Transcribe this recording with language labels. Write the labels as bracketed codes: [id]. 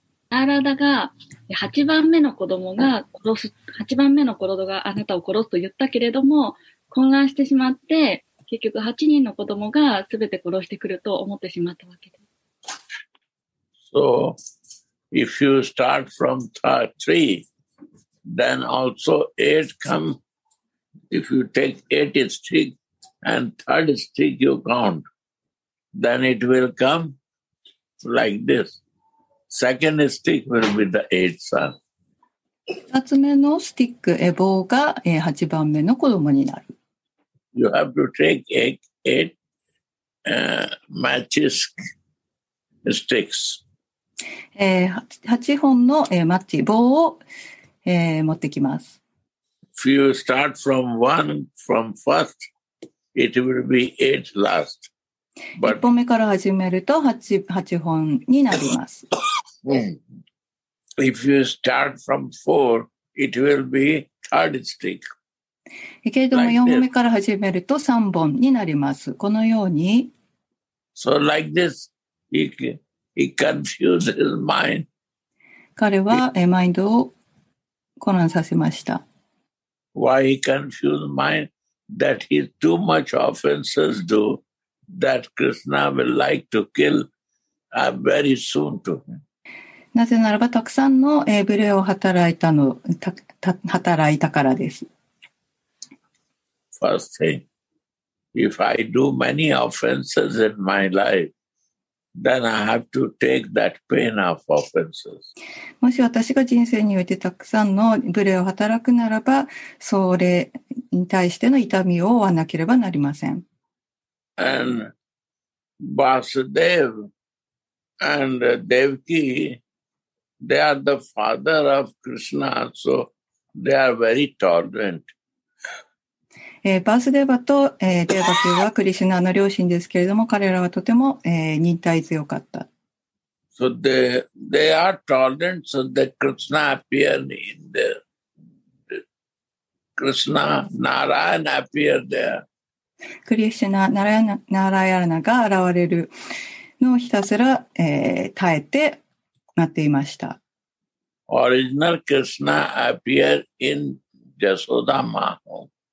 [ja] ナラダが8番目の子供が殺す、8番目の子供があなたを殺すと言ったけれども、混乱してしまって、結局8人の子供が全て殺してくると思ってしまったわけです。 [en] So, if you start from 3, then also 8 come, if you take 8 stick and 3rd stick you count, then it will come like this. Second stick will be the eighth son. [ja] 二つ目のスティック、棒が8番目の子供になる。 [en] You have to take eight matches sticks. [ja] 8本の、マッチ、棒を、持ってきます。 [en] If you start from one, from first, it will be eight last. But... [ja] 1本目から始めると 8本になります。 [en] If you start from four, it will be third stick. [ja] けれども4本目から始めると3本になります。このように。 [en] So like this, he confused his mind. [ja] 彼はマインドを混乱させました。 [en] Why he confused mind? That he too much offenses do that Krishna will like to kill very soon to him. [ja] なぜならばたくさんの無礼を働いたの、働いたからです。 [en] First thing, if I do many offenses in my life, then I have to take that pain of offenses. [ja] もし私が人生においてたくさんの無礼を働くならば、それに対しての痛みを負わなければなりません。 [en] And Vasudev and Devaki, they are the father of Krishna, so they are very tolerant. [ja] バースデーバとデーバキューはクリシュナの両親ですけれども彼らはとても、忍耐強かった。 [en] So they are tolerant, so that Krishna appeared in there. Krishna Narayana appeared there. [ja] クリシュナ、ナラヤナが現れるのをひたすら、耐えて待っていました。 [en] Original Krishna appeared in Yashoda Maho.